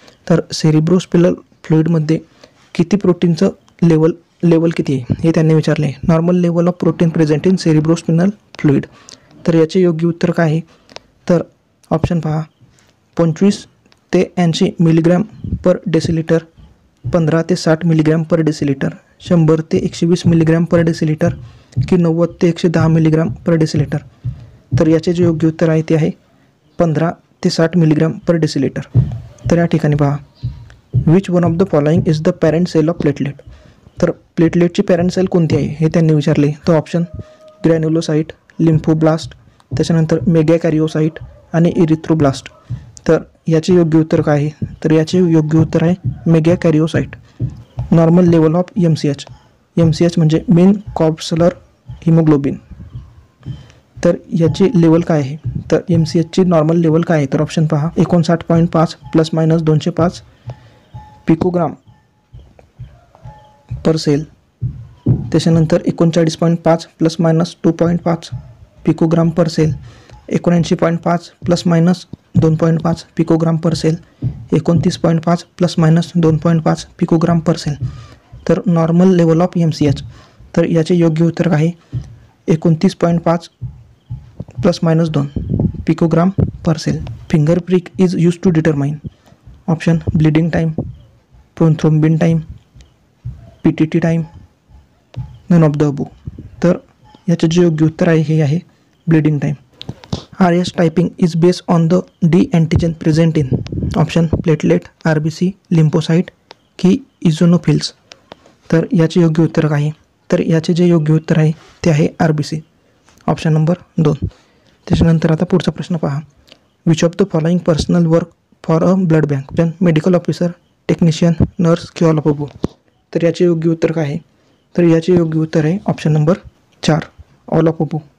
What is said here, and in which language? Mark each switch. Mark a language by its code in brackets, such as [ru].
[mr] तर सेरिब्रोस्पिनल फ्लुइडमध्ये किती प्रोटीनचं लेवल किती आहे हे त्यांनी विचारले. [en] normal level of protein present in cerebrospinal fluid, [mr] तर याचे योग्य उत्तर काय आहे? तर ऑप्शन पहा, 25-80 mg/dL, 15-60 mg/dL, 100 ते 120 मिलीग्रॅम पर डेसिलिटर की 90 ते 110 मिलीग्रॅम पर डेसिलिटर? तर याचे जे योग्य उत्तर आहे ते आहे 15 ते 60 मिलीग्रॅम पर डेसिलिटर. तर या ठिकाणी पहा, [en] Which one of the following is the parent cell of platelet? [mr] तर प्लेटलेटची पॅरेंट सेल कोणती आहे हे त्यांनी विचारले. तर ऑप्शन ग्रॅन्युलोसाईट, लिम्फोब्लास्ट, त्याच्यानंतर मेगॅकॅरिओसाईट आणि इरिथ्रोब्लास्ट. तर याचे योग्य उत्तर काय आहे? तर याचे योग्य उत्तर आहे मेगॅकॅरिओसाईट. [en] Normal level of MCH, MCH म्हणजे mean corpuscular haemoglobin. [mr] तर याची लेवल काय आहे? तर MCHची नॉर्मल लेवल काय आहे? तर ऑप्शन पहा, 59.5 प्लस मायनस 205 पिकोग्राम पर सेल. [en] त्याच्यानंतर 39.5 plus minus 2.5 picogram per cell. 79.5 plus minus 2.5 picogram per cell. 29.5 plus minus 2.5 picogram per cell. [mr] तर नॉर्मल लेवल ऑफ MCH, तर याचे योग्य उत्तर आहे 29.5 plus minus 2 picogram per sale. [en] Finger prick is use to determine, option bleeding time, prothrombin time, PTT time, none of the above. [mr] तर याचे जे योग्य उत्तर आहे हे आहे bleeding time. [en] RS typing is based on the D antigen present in, option platelet, RBC, lymphocyte की eosinophils. [mr] तर याचे योग्य उत्तर काय? तर याचे जे योग्य उत्तर आहे ते आहे RBC, ऑप्शन नंबर 2. त्याच्यानंतर आता पुढचा प्रश्न पहा, [en] Which of the following personnel work for a blood bank, option medical officer, technician, nurse की all of above. [mr] तर याचे योग्य उत्तर काय? तर याचे योग्य उत्तर आहे option number 4, all of above.